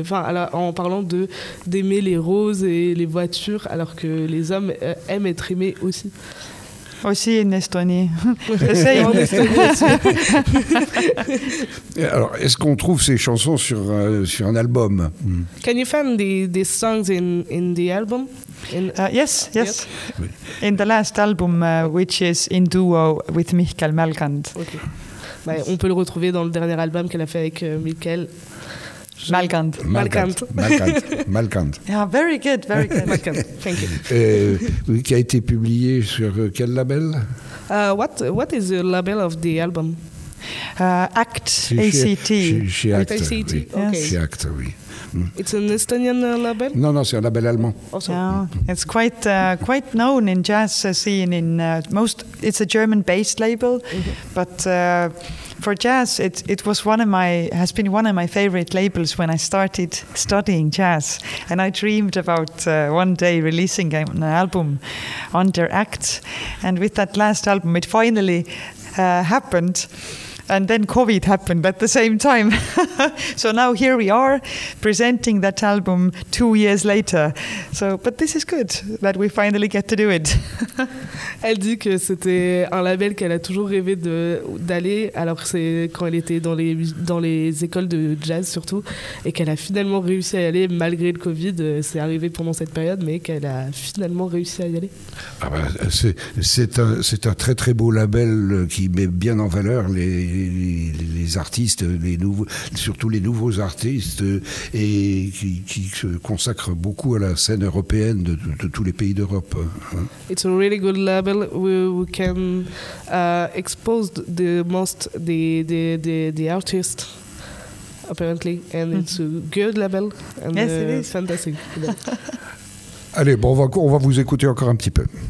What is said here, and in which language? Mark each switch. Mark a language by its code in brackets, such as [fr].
[fr] Enfin, en parlant d'aimer les roses et les voitures, alors que les hommes aiment être aimés aussi. Aussi en Estonie. Alors, est-ce qu'on trouve ces chansons sur un album? [en] Can you find these songs in the album? Yes. Yep. In the last album, which is in duo with Mikael Malkand. [fr] Okay. Bah, on peut le retrouver dans le dernier album qu'elle a fait avec Mikael. Malkant. Malkant. Malkant. [en] Yeah, very good, very good. Malkant. Thank you. [fr] Oui, qui a été publié sur quel label? [en] What is the label of the album? ACT. ACT. [fr] Chez ACT. ACT. Oui. [en] Okay. [fr] Chez ACT, oui. [en] It's an Estonian label? [fr] Non, non, c'est un label allemand. [en] Also. Yeah, it's quite known in jazz scene in most. It's a German-based label, mm-hmm. but. For jazz, it has been one of my favorite labels when I started studying jazz, and I dreamed about one day releasing an album under ACT, and with that last album, it finally happened, and then COVID happened at the same time. So now here we are, presenting that album 2 years later. So, but this is good that we finally get to do it. [fr] Elle dit que c'était un label qu'elle a toujours rêvé d'aller, alors que c'est quand elle était dans les écoles de jazz surtout, et qu'elle a finalement réussi à y aller malgré le Covid. C'est arrivé pendant cette période, mais qu'elle a finalement réussi à y aller. Ah bah, c'est un très très beau label qui met bien en valeur les artistes, surtout les nouveaux artistes, et qui se consacrent beaucoup à la scène européenne de tous les pays d'Europe. [en] It's a really good label. We can expose the most the artists apparently, and it's a good label. And yes, it is fantastic. [fr] Allez, bon, on va vous écouter encore un petit peu.